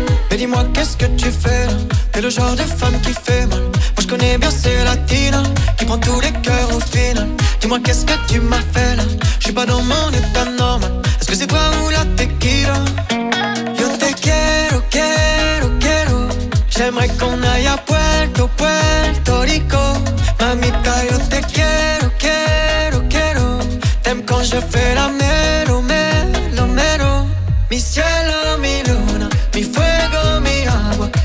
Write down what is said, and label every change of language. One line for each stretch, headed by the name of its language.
French: Mais dis-moi, qu'est-ce que tu fais là? T'es le genre de femme qui fait mal. Moi, je connais bien ces latines qui prend tous les cœurs au final. Dis-moi, qu'est-ce que tu m'as fait là? Je suis pas dans mon état normal. Est-ce que c'est toi ou la tequila?
Spanish: Yo te quiero, quiero, quiero.
French: J'aimerais qu'on aille à Puerto, Puerto Rico.
Spanish: Mamita, yo te quiero, quiero, quiero.
French: T'aimes quand je fais la
Spanish: mero, mero, mero. Mi cielo, mi luna, mi fuego, mi agua.